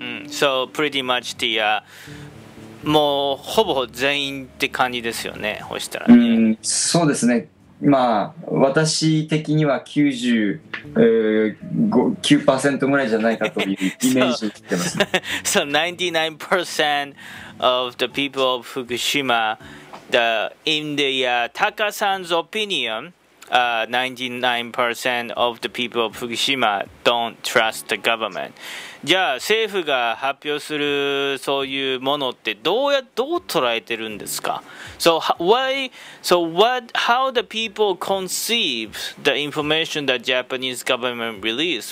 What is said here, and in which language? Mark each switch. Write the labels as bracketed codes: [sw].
[ja] うん、 [en] so pretty much the、 [ja] もうほぼ全員って感じですよね、ほしたらね。うん、そうですね、まあ、私的には 99% ぐらいじゃないかというイメージを言ってます、ね、 [en] so 99%of the people of Fukushima, the in the Taka-san's opinion, 99% of the people of Fukushima don't trust the government. [ja] じゃあ政府が発表するそういうものってどう捉えてるんですか。 [en] So why? So what? How the people conceive the information that Japanese government release?